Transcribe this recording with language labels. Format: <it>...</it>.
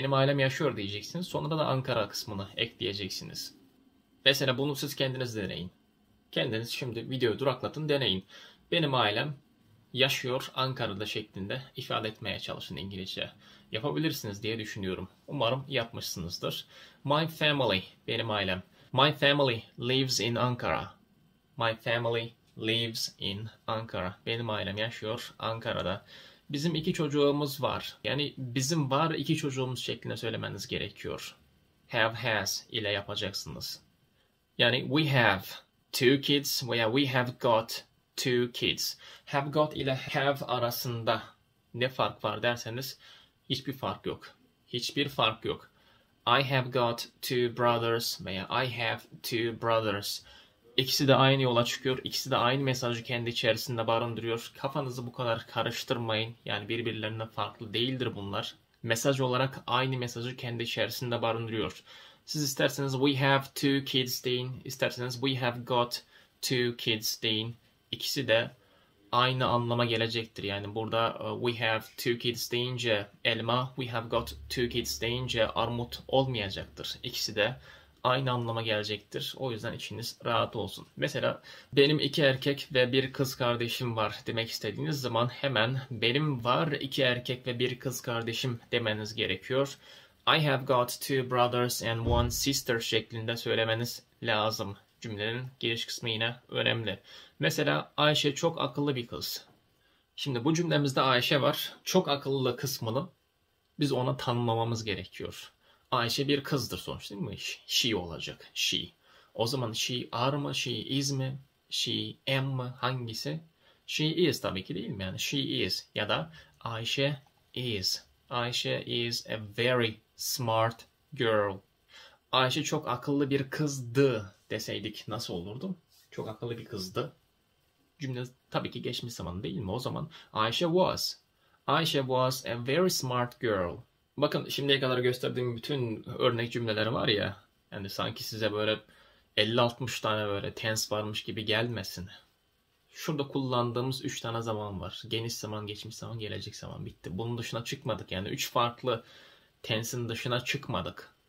<tr>Benim ailem yaşıyor diyeceksiniz. Sonra da Ankara kısmını ekleyeceksiniz. Mesela bunu siz kendiniz deneyin. Kendiniz şimdi videoyu duraklatın, deneyin. Benim ailem yaşıyor Ankara'da şeklinde ifade etmeye çalışın İngilizce. Yapabilirsiniz diye düşünüyorum. Umarım yapmışsınızdır.</tr> <en>My family,</en> <tr>benim ailem.</tr> <en>My family lives in Ankara. My family lives in Ankara.</en> <tr>Benim ailem yaşıyor Ankara'da. Bizim iki çocuğumuz var. Yani bizim var iki çocuğumuz şeklinde söylemeniz gerekiyor. Have has ile yapacaksınız. Yani</tr> <en>we have two kids</en> <tr>veya</tr> <en>we have got two kids.</en> <tr>Have got ile have arasında ne fark var derseniz hiçbir fark yok. Hiçbir fark yok.</tr> <en>I have got two brothers</en> <tr>veya</tr> <en>I have two brothers.</en> <tr>İkisi de aynı yola çıkıyor. İkisi de aynı mesajı kendi içerisinde barındırıyor. Kafanızı bu kadar karıştırmayın. Yani birbirlerinden farklı değildir bunlar. Mesaj olarak aynı mesajı kendi içerisinde barındırıyor. Siz isterseniz</tr> <en>we have two kids</en> <tr>deyin. İsterseniz</tr> <en>we have got two kids</en> <tr>deyin. İkisi de aynı anlama gelecektir. Yani burada</tr> <en>we have two kids</en> <tr>deyince elma,</tr> <en>we have got two kids</en> <tr>deyince armut olmayacaktır. İkisi de aynı anlama gelecektir. O yüzden içiniz rahat olsun. Mesela benim iki erkek ve bir kız kardeşim var demek istediğiniz zaman hemen benim var iki erkek ve bir kız kardeşim demeniz gerekiyor.</tr> <en>I have got two brothers and one sister</en> <tr>şeklinde söylemeniz lazım. Cümlenin giriş kısmı yine önemli. Mesela Ayşe çok akıllı bir kız. Şimdi bu cümlemizde Ayşe var. Çok akıllı kısmını biz ona tanımlamamız gerekiyor. Ayşe bir kızdır sonuçta değil mi?</tr> <en>She</en> <tr>olacak.</tr> <en>She.</en> <tr>O zaman</tr> <en>she are mı? She is mi? She am</en> <tr>mı? Hangisi?</tr> <en>She is</en> <tr>tabii ki değil mi? Yani</tr> <en>she is.</en> <tr>Ya da Ayşe</tr> <en>is. Ayşe is a very smart girl.</en> <tr>Ayşe çok akıllı bir kızdı deseydik nasıl olurdu? Çok akıllı bir kızdı. Cümle tabii ki geçmiş zaman değil mi? O zaman Ayşe</tr> <en>was. Ayşe was a very smart girl.</en> <tr>Bakın şimdiye kadar gösterdiğim bütün örnek cümleler var ya, yani sanki size böyle 50-60 tane böyle tense varmış gibi gelmesin. Şurada kullandığımız 3 tane zaman var. Geniş zaman, geçmiş zaman, gelecek zaman bitti. Bunun dışına çıkmadık. Yani 3 farklı tense'in dışına çıkmadık.</tr>